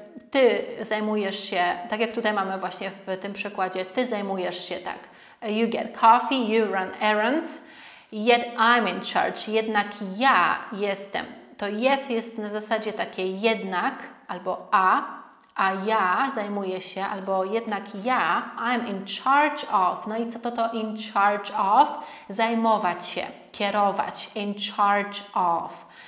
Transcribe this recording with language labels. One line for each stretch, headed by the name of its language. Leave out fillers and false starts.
Polish: Ty zajmujesz się, tak jak tutaj mamy właśnie w tym przykładzie, ty zajmujesz się tak.
English: You get coffee, you run errands. Yet I'm in charge,
Polish: jednak ja jestem. To yet jest na zasadzie takie jednak, albo a ja zajmuję się, albo jednak ja,
English: I'm in charge of.
Polish: No i co to in charge of? Zajmować się, kierować, in charge of.